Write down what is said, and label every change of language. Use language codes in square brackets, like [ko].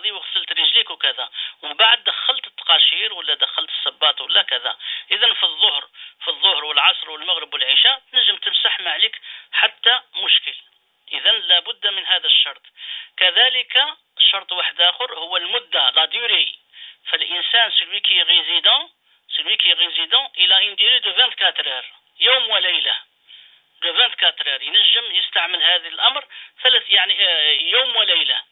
[ar] الماضي وغسلت رجليك وكذا، ومن بعد دخلت التقاشير ولا دخلت الصباط ولا كذا. إذا في الظهر والعصر والمغرب والعشاء تنجم تمسح ما عليك حتى مشكل. إذا لابد من هذا الشرط. كذلك شرط واحد آخر هو المدة، لا ديوري. فالإنسان [fr] celui qui est résident، celui qui est résident il a une durée de 24 heures، [ar] يوم وليلة. [fr] De 24 heures [ar] ينجم يستعمل هذا الأمر ثلاث يعني يوم وليلة.